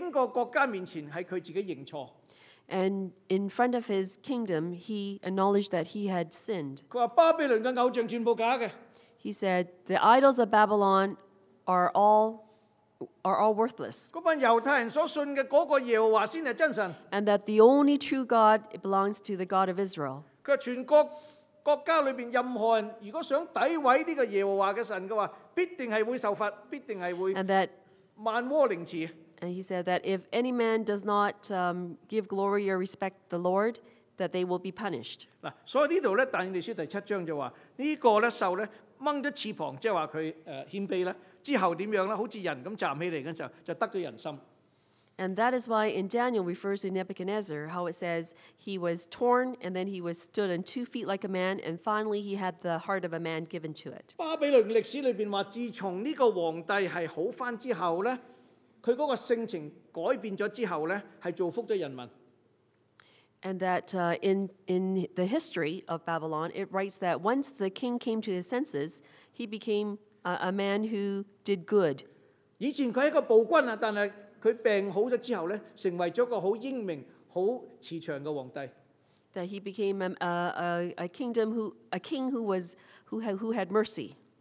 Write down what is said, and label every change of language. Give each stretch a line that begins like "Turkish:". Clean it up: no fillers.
Chinese: 他在整個國家面前是他自己認錯。
English: And in front of his kingdom, he acknowledged that he had sinned.
Chinese: 他說巴比倫的偶像全部假的。
English: He said, the idols of Babylon are all worthless.
Chinese: 那群猶太人所信的那個耶和華才是真神。
English: And that the only true God belongs to the God of Israel.
Chinese: 他說全國國家裡面任何人如果想詆毀這個耶和華的神的話,必定是會受罰,必定是會萬禍靈恥。
English: And he said that if any man does not give glory or respect the Lord, that they will be punished. So here,
Chinese: Daniel 7章就說,這個獸拔了翅膀,即是說他謙卑,之後怎樣,好像人一樣站起來的時候,就得了人心。
English: And that is why in Daniel refers to Nebuchadnezzar, how it says he was torn, and then he was stood on 2 feet like a man, and finally he had the heart of a man given to it.
Chinese: 巴比倫歷史裡面說,自從這個皇帝好翻之後呢, 他那個性情改變了之後,是造福了人民。And
English: that in the history of Babylon, it writes that once the king came to his senses, he became a man who did good.
Chinese: 以前他是一個暴君,但是他病好了之後,成為了一個很英明,很慈祥的皇帝。
English: That he became a king who had mercy.